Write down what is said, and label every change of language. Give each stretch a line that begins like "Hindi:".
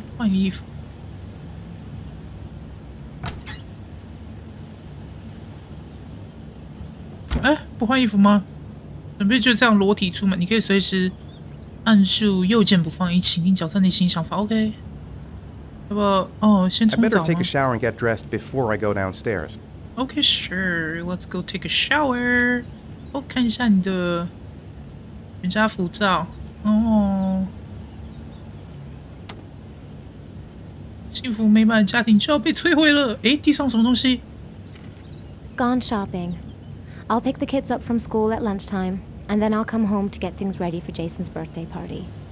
Chinese: 衣服。哎，不换衣服吗？准备就这样裸体出门？你可以随时按住右键不放，以倾听角色内心想法。 OK。 要不要，哦，先冲澡吗？
English: I better take a shower and get dressed before I go downstairs. OK, sure. Let's go take a shower.
Chinese: 我看一下你的全家福照。哦。幸福美满家庭就要被摧毁了！哎，地上什么东西
English: ？Gone shopping. I'll pick the kids up from school at lunchtime, and then I'll come home to get things ready for Jason's birthday party.